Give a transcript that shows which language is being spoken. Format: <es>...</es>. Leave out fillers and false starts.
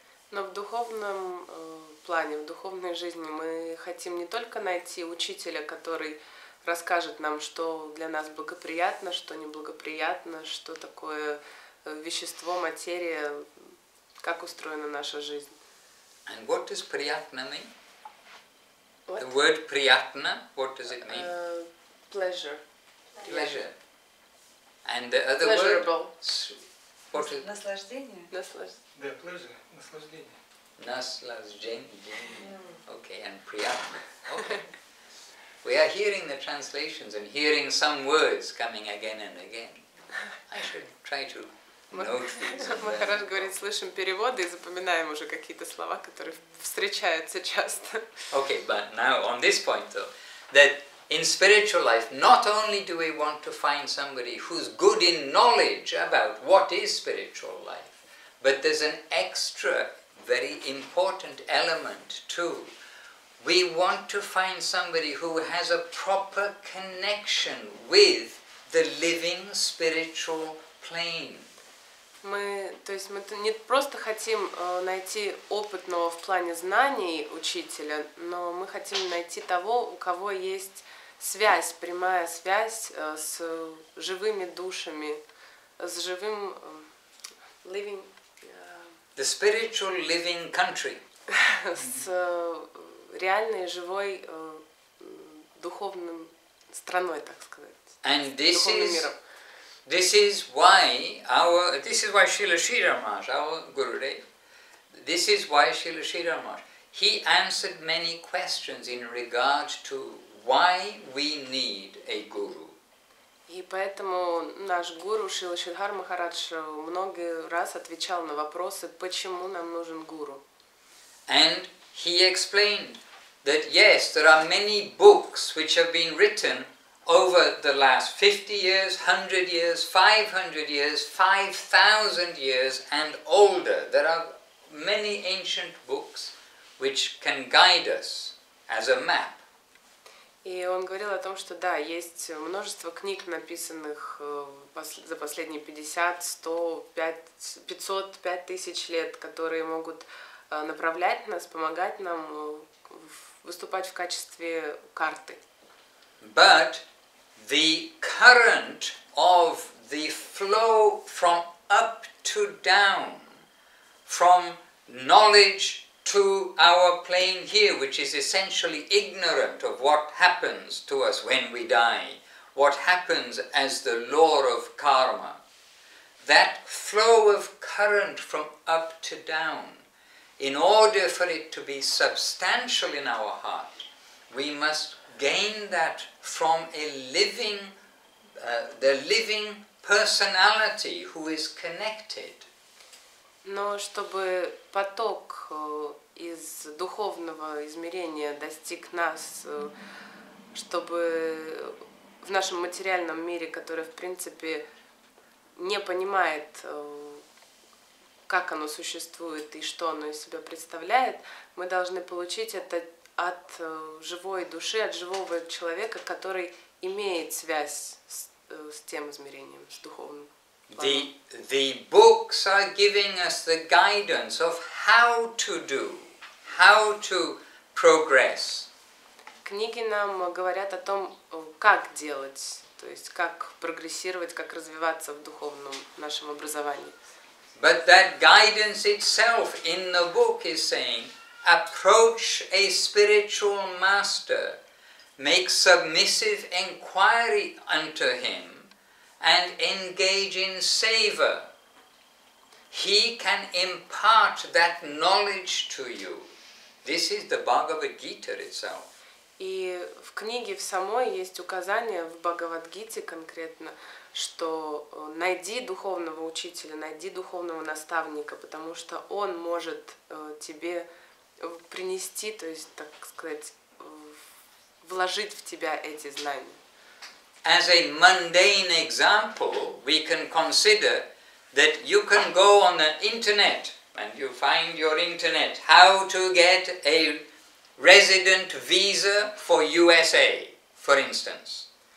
<ru>Но в духовном плане, в духовной жизни мы хотим не только найти учителя, который расскажет нам, что для нас благоприятно, что неблагоприятно, что такое вещество, материя, как устроена наша жизнь.</ru> <en>And what does priyatna mean? What? The word priyatna, what does it mean? Pleasure. Pleasure. And the other pleasurable word?</en> <ru>Наслаждение. Наслаждение. Да, pleasure. Наслаждение.</ru> <en>Naslas Jain. Okay, and Priyam. Okay. We are hearing the translations and hearing some words coming again and again. I should try to</en> <ru>Махарадж говорит, слышим переводы и запоминаем уже какие-то слова, которые встречаются часто.</ru> <en>Okay, but now on this point though, that in spiritual life, not only do we want to find somebody who's good in knowledge about what is spiritual life, but there's an extra very important element too. We want to find somebody who has a proper connection with the living spiritual plane.</en> <ru>Мы, то есть мы не просто хотим найти опытного в плане знаний учителя, но мы хотим найти того, у кого есть связь, прямая связь с живыми душами, с живым living</ru> <en>the spiritual living country.</en> <ru>С реальной живой духовной страной, так сказать.</ru> <en>And this is</en> <ru>миром.</ru> <en>This is why our this is why Srila Sridharmaj, our Gurudev, this is why Srila Sridharmaj, he answered many questions in regard to why we need a guru.</en> <ru>И поэтому наш гуру Шрила Шридхар Махарадж много раз отвечал на вопросы, почему нам нужен гуру.</ru> <en>And he explained that yes, there are many books which have been written over the last 50 years, 100 years, 500 years, 5,000 years and older. There are many ancient books which can guide us as a map.</en> <ru>И он говорил о том, что да, есть множество книг, написанных за последние 50, 100, 500, 5000 лет, которые могут направлять нас, помогать нам выступать в качестве карты.</ru> <en>But the current of the flow from up to down, from knowledge to our plane here, which is essentially ignorant of what happens to us when we die, what happens as the law of karma, that flow of current from up to down, in order for it to be substantial in our heart, we must gain that from a living, the living personality who is connected.</en> <ru>Но чтобы поток из духовного измерения достиг нас, чтобы в нашем материальном мире, который в принципе не понимает, как оно существует и что оно из себя представляет, мы должны получить это от живой души, от живого человека, который имеет связь с тем измерением, с духовным.</ru> <en>The books are giving us the guidance of how to do, how to progress.</en> <ru>Книги нам говорят о том, как делать, то есть как прогрессировать, как развиваться в духовном нашем образовании.</ru> <en>But that guidance itself in the book is saying, approach a spiritual master, make submissive inquiry unto him, and engage in seva. He can impart that knowledge to you. This is the Bhagavad Gita itself.</en> <ru>И в книге в самой есть указание в Бхагавадгите конкретно, что найди духовного учителя, найди духовного наставника, потому что он может тебе принести, то есть, так сказать, вложить в тебя эти знания.</ru> <en>As a mundane example, we can consider that you can go on the internet and you find your internet how to get a resident visa for USA, for instance.</en>